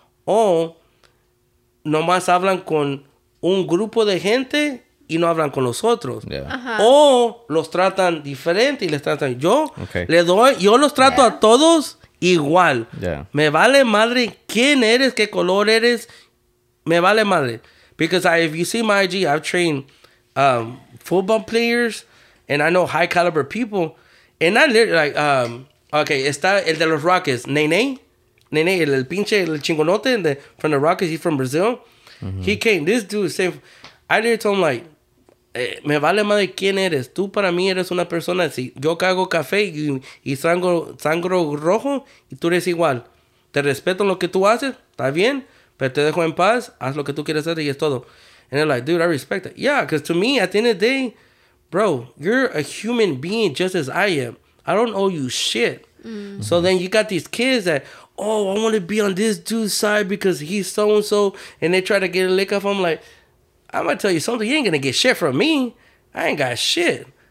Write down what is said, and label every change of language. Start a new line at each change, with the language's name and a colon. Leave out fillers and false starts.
Spanish: O nomás hablan con un grupo de gente y no hablan con los otros. O los tratan diferente y les tratan. Yo le doy, yo los trato a todos igual. Me vale madre quién eres, qué color eres. Me vale madre.
English: Because if you see my IG, I've trained football players and I know high caliber people. And I literally, like, okay,
Spanish: está el de los Rockets, Nene, el pinche, el chingonote de,
English: from the Rockets, he's from Brazil. He came, this dude, same. I literally told him, like,
Spanish: me vale madre quién eres. Tú para mí eres una persona. Si yo cago café y sangro rojo, y tú eres igual. Te respeto lo que tú haces, está bien, pero te dejo en paz, haz lo que tú quieres hacer y es todo.
English: And they're like, dude, I respect it. Yeah, because to me, at the end of the day, bro, you're a human being just as I am. I don't owe you shit. So then you got these kids that, oh, I want to be on this dude's side because he's so-and-so, and they try to get a lick off him. Like, I'm going to tell you something. You ain't going to get shit from me. I ain't got shit.